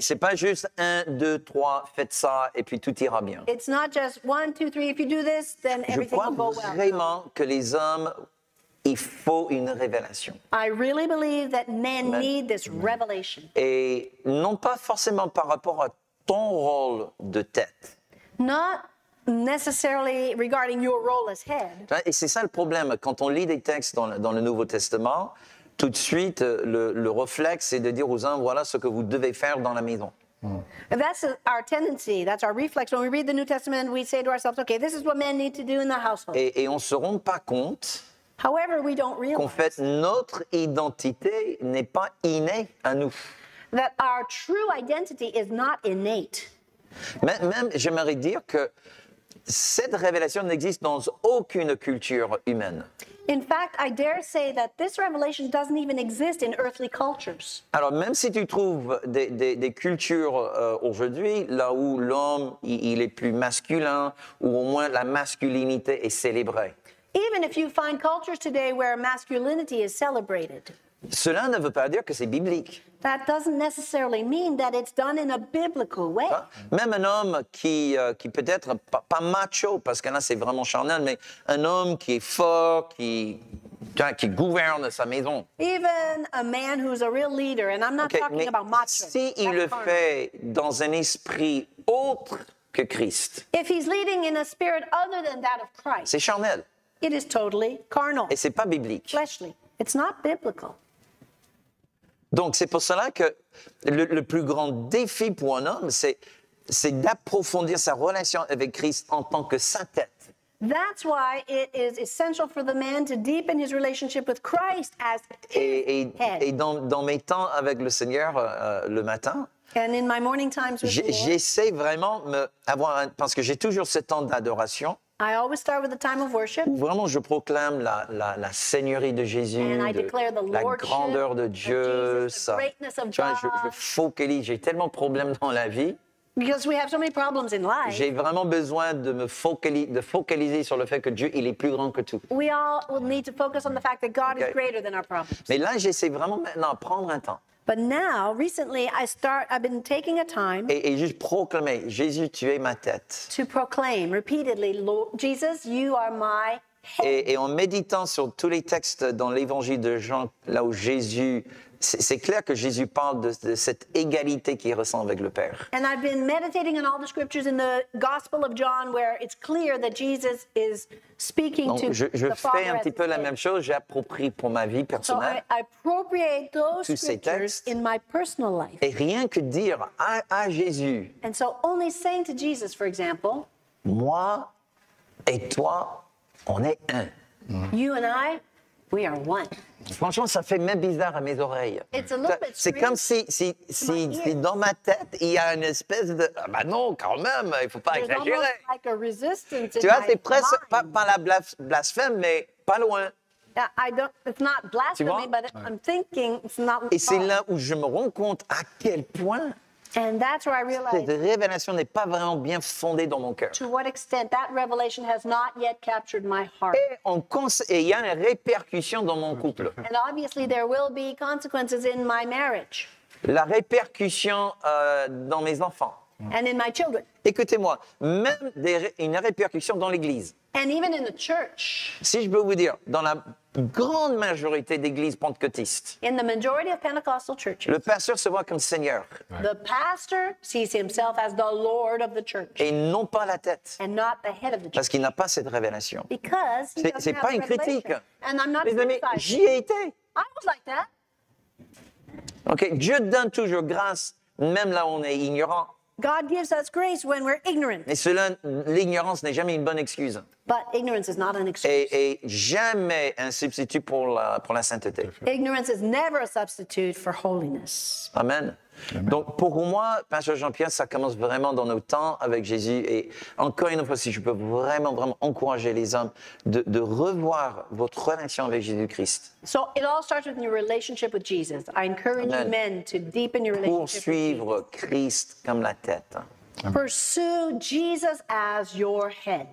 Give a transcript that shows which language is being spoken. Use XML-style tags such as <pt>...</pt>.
<fr>C'est pas juste 1, 2, 3, faites ça, et puis tout ira bien.</fr> <en>It's not just 1, 2, 3, if you do this, then everything will go well.</en> <fr>Je crois vraiment que les hommes, il faut une révélation.</fr> <en>I really believe that men need this revelation.</en> <fr>Et non pas forcément par rapport à ton rôle de tête.</fr> <en>Not necessarily regarding your role as head.</en> <fr>Et c'est ça le problème. Quand on lit des textes dans le Nouveau Testament, tout de suite, le réflexe, c'est de dire aux hommes, voilà ce que vous devez faire dans la maison.</fr> <en>Mm. That's our tendency. That's our reflex. When we read the New Testament, we say to ourselves, okay, this is what men need to do in the household.</en> <fr>Et on ne se rend pas compte.</fr> <en>However, we don't realize.</en> <fr>Qu'en fait, notre identité n'est pas innée à nous.</fr> <en>That our true identity is not innate.</en> <fr>Même, j'aimerais dire que cette révélation n'existe dans aucune culture humaine.</fr> <en>In fact, I dare say that this revelation doesn't even exist in earthly cultures.</en> <fr>Alors, même si tu trouves des cultures aujourd'hui, là où l'homme, il est plus masculin, ou au moins la masculinité est célébrée.</fr> <en>Even if you find cultures today where masculinity is celebrated.</en> <fr>Cela ne veut pas dire que c'est biblique.</fr> <en>That doesn't necessarily mean that it's done in a biblical way.</en> <fr>Même un homme qui peut être pas macho, parce que là c'est vraiment charnel, mais un homme qui est fort, qui gouverne sa maison.</fr> <en>Even a man who's a real leader, and I'm not okay, talking about macho.</en> <fr>Si il le fait dans un esprit autre que Christ.</fr> <en>If he's leading in a spirit other than that of Christ.</en> <fr>C'est charnel.</fr> <en>It is totally carnal.</en> <fr>Et c'est pas biblique.</fr> <en>Fleshly. It's not biblical.</en> <fr>Donc, c'est pour cela que le plus grand défi pour un homme, c'est d'approfondir sa relation avec Christ en tant que sa tête.</fr> <en>That's why it is essential for the man to deepen his relationship with Christ as his head.</en> <fr>Et dans mes temps avec le Seigneur le matin,</fr> <en>and in my morning times with</en> <fr>Lord, j'essaie vraiment parce que j'ai toujours ce temps d'adoration.</fr> <en>I always start with a time of worship.</en> <fr>Où vraiment, je proclame la seigneurie de Jésus, la grandeur de Dieu. Je focalise. J'ai tellement de problèmes dans la vie.</fr> <en>Because we have so many problems in life.</en> <fr>J'ai vraiment besoin de me focaliser sur le fait que Dieu, il est plus grand que tout.</fr> <en>We all will need to focus on the fact that God is greater than our problems.</en> <fr>Mais là, j'essaie vraiment maintenant de prendre un temps.</fr> <en>But now, recently, I've been taking a time.</en> <fr>Et juste proclamer, Jésus, tu es ma tête.</fr> <en>To proclaim repeatedly, Lord Jesus, you are my head.</en> <fr>Et en méditant sur tous les textes dans l'évangile de Jean, là où Jésus, c'est clair que Jésus parle de cette égalité qu'il ressent avec le Père.</fr> <en>And I've been meditating on all the scriptures in the Gospel of John, where it's clear that Jesus is speaking</en> <fr>donc,</fr> <en>to</en> <fr>je</fr> <en>the</en> <fr>fais</fr> <en>Father</en> <fr>un petit peu la même chose. J'approprie pour ma vie personnelle.</fr> <en>So I appropriate those scriptures in my personal life.</en> <fr>Et rien que dire à Jésus.</fr> <en>And so only saying to Jesus, for example,</en> <fr>moi et toi, on est un.</fr> <en>You and I, we are one.</en> <fr>Franchement, ça fait même bizarre à mes oreilles. C'est comme si dans ma tête, il y a une espèce de... Ah ben non, quand même, il ne faut pas</fr> <en>There's</en> <fr>exagérer.</fr> <en>Like a resistance</en> <fr>tu vois, c'est presque pas la blasphème, mais pas loin.</fr> <en>It's not blasphemy, but I'm thinking it's not</en> <fr>Et c'est là où je me rends compte à quel point</fr> <en>And that's where I realized</en> <fr>cette révélation n'est pas vraiment bien fondée dans mon cœur.</fr> <en>To what extent that revelation has not yet captured my heart.</en> <fr>Et il y a une répercussion dans mon couple.</fr> <en>And obviously there will be consequences in my marriage.</en> <fr>La répercussion dans mes enfants.</fr> <en>And in my children.</en> <fr>Écoutez-moi, même une répercussion dans l'église.</fr> <en>And even in the church.</en> <fr>Si je peux vous dire, dans la grande majorité d'églises pentecôtistes.</fr> <en>In the majority of Pentecostal churches.</en> <fr>Le pasteur se voit comme Seigneur.</fr> <en>Right. The pastor sees himself as the Lord of the church.</en> <fr>Et non pas la tête.</fr> <en>And not the head of the church.</en> <fr>Parce qu'il n'a pas cette révélation.</fr> <en>Because he doesn't</en> <fr>C'est pas une critique.</fr> <en>And I'm not</en> <fr>Mes amis, j'y ai été.</fr> <en>I was like that.</en> <fr>OK, Dieu donne toujours grâce, même là où on est ignorant.</fr> <en>God gives us grace when we're ignorant.</en> <fr>Et cela, l'ignorance n'est jamais une bonne excuse.</fr> <en>But ignorance is not an excuse.</en> <fr>Et jamais un substitut pour la sainteté.</fr> <en>Ignorance is never a substitute for holiness. Amen.</en> <fr>Donc, pour moi, Pasteur Jean-Pierre, ça commence vraiment dans nos temps avec Jésus. Et encore une fois, si je peux vraiment, vraiment encourager les hommes de revoir votre relation avec Jésus-Christ.</fr> <en>So, it all starts with your relationship with Jesus. I encourage Amen. You men to deepen your relationship</en> <fr>Poursuivre</fr> <en>with Jesus.</en> <fr>Christ comme la tête. Amen.</fr> <en>Pursue Jesus as your head.</en>